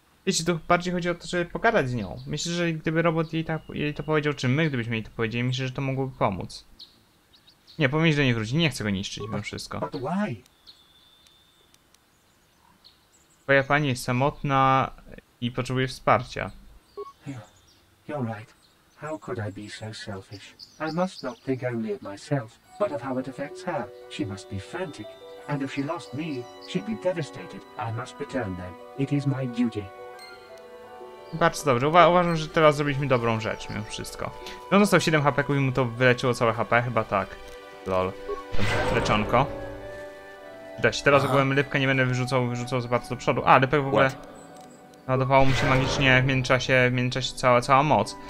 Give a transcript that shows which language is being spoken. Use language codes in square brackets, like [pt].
[pl] Wiecie, to bardziej chodzi o to, żeby pogadać z nią. Myślę, że gdyby robot jej to powiedział, czy my, gdybyśmy jej to powiedzieli, myślę, że to mogłoby pomóc. Nie, powinien, że nie wróci. Nie chcę go niszczyć, mimo wszystko. Twoja pani jest samotna i potrzebuje wsparcia. [en] You're right. How could I be so selfish? I must not think only of myself, but of how it affects her. She must be frantic. And if she lost me, she'd be devastated. I must return then. It is my duty. [pl] Bardzo dobrze. Uważam, że teraz zrobiliśmy dobrą rzecz, mimo wszystko. On dostał 7 HP, i mu to wyleczyło całe HP. Chyba tak. Lol. Dobrze, leczonko. Dość. Teraz w ogóle lipkę nie będę wyrzucał za bardzo do przodu. A, lipek w ogóle... Ładowało mu się magicznie w międzyczasie cała moc.